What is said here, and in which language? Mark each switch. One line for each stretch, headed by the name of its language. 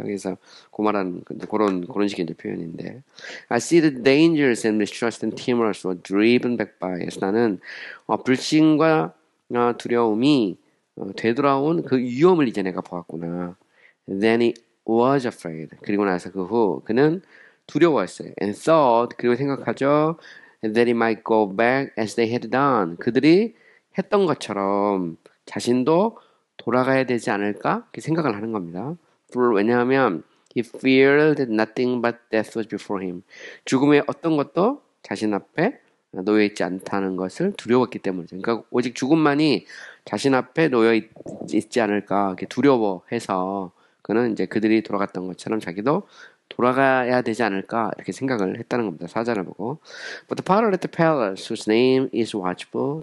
Korean: 그래서 그런 식의 이제 표현인데,
English: I see the dangers and mistrust and timorous were driven back by.
Korean: 그래서 나는 불신과 두려움이 되돌아온 그 위험을 이제 내가 보았구나.
English: Then he was afraid.
Korean: 그리고 나서 그 후, 그는 두려워했어요.
English: And thought,
Korean: 그리고 생각하죠.
English: And that he might go back as they had done.
Korean: 그들이 했던 것처럼 자신도 돌아가야 되지 않을까? 그 생각을 하는 겁니다.
English: For,
Korean: 왜냐하면,
English: he feared nothing but death was before him.
Korean: 죽음의 어떤 것도 자신 앞에 놓여 있지 않다는 것을 두려웠기 때문이죠. 그러니까 오직 죽음만이 자신 앞에 놓여 있지 않을까 이렇게 두려워해서 그는 이제 그들이 돌아갔던 것처럼 자기도 돌아가야 되지 않을까 이렇게 생각을 했다는 겁니다. 사자를 보고.
English: But the potter at the palace whose name is watchful.